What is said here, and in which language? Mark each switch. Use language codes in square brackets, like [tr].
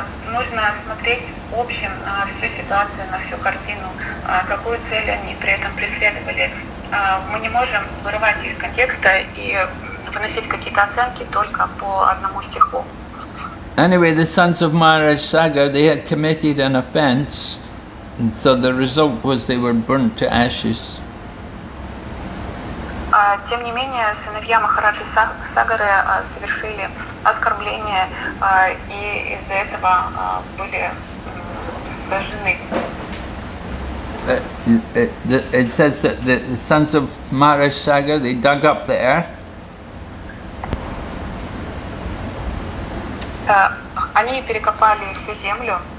[ru] Нужно смотреть в общем на всю ситуацию, на всю картину, какую цель они при этом преследовали. Мы не можем вырывать из контекста и выносить какие-то оценки только по одному стиху. [en] Anyway, the sons of Maharaj Sagar, they had committed an offense, and so the result was they were burnt to ashes. [ru] Тем не менее, сыновья Махараджи Сагары совершили оскорбление, и из-за этого были сожжены. [en] It says that the sons of Maharaj Sagar, they dug up the earth. [ru] Они перекопали всю землю.